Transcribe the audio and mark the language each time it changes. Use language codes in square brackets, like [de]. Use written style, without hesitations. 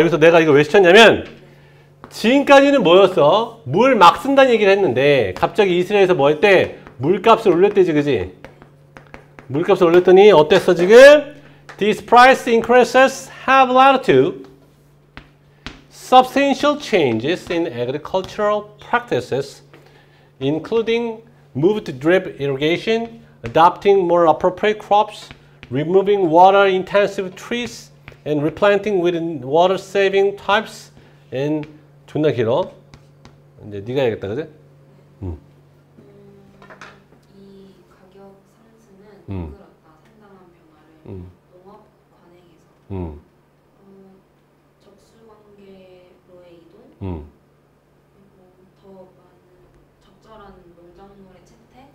[ko] 여기서 내가 이거 왜 시켰냐면, 지금까지는 뭐였어? 물 막 쓴다는 얘기를 했는데 갑자기 이스라엘에서 뭐 했대? 물값을 올렸대지, 그지? 물값을 올렸더니 어땠어, 지금? [en] These price increases have led to substantial changes in agricultural practices including move to drip irrigation, adopting more appropriate crops, removing water intensive trees and replanting with water saving types and [ko] 존나 길어. 이제 네가 해야겠다, 그지? 이 가격 상당한 변화를 농업 관행에서 적수 관계로의 이동 그리고 더 많은 적절한 농작물의 채태